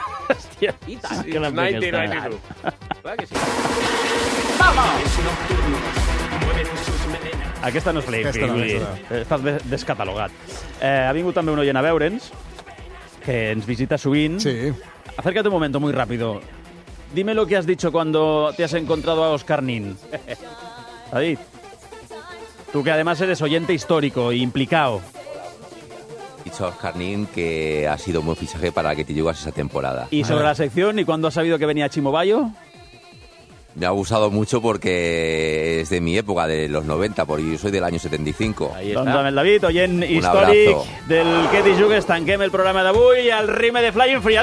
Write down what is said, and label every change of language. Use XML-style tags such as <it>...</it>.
<ca>Hòstia, i tant. Sí, que l'hem fet estrenar. Clar que sí. ¡Vamos! Aquesta no és Flying Free, Willy. Estàs descatalogat. Ha vingut també un oient a veure'ns, que ens visita sovint. Sí.</ca> <es>Acércate un momento, muy rápido. Dime lo que has dicho cuando te has encontrado a Oscar Nin. David, tú que además eres oyente histórico e implicado. He dicho a Oscar Nin que ha sido un buen fichaje para que te llegas esa temporada. ¿Y sobre la sección y cuándo has sabido que venía Chimo Bayo? Me ha gustado mucho porque es de mi época, de los 90, porque yo soy del año 75. Ahí está.</es> <ca>Doncs amb el David, oyent històric del Que t'hi jugues, tanquem el programa d'avui al ritme de Flying Free.</ca>